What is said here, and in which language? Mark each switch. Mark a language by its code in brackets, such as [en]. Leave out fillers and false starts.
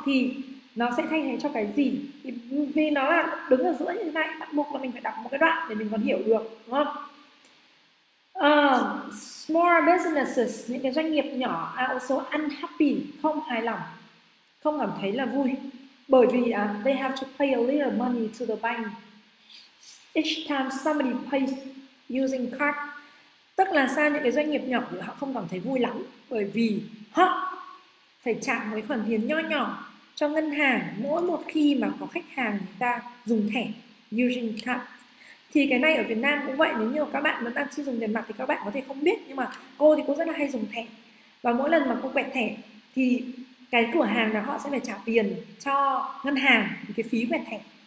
[vi] Thì nó sẽ thay thế cho cái gì? Thì vì nó là đứng ở giữa như thế này, bắt buộc là mình phải đọc một cái đoạn để mình còn hiểu được, đúng không? [en] Small businesses, [vi] những cái doanh nghiệp nhỏ [en] are also unhappy, [vi] không hài lòng, không cảm thấy là vui. Bởi vì [en] they have to pay a little money to the bank each time somebody pays using card. [vi] Tức là sao những cái doanh nghiệp nhỏ thì họ không cảm thấy vui lắm, bởi vì họ phải trả một khoản tiền nho nhỏ cho ngân hàng mỗi một khi mà có khách hàng người ta dùng thẻ [en] using card. [vi] Thì cái này ở Việt Nam cũng vậy, nếu như các bạn vẫn đang chưa dùng tiền mặt thì các bạn có thể không biết, nhưng mà cô thì cũng rất là hay dùng thẻ, và mỗi lần mà cô quẹt thẻ thì cái cửa hàng là họ sẽ phải trả tiền cho ngân hàng cái phí quẹt thẻ.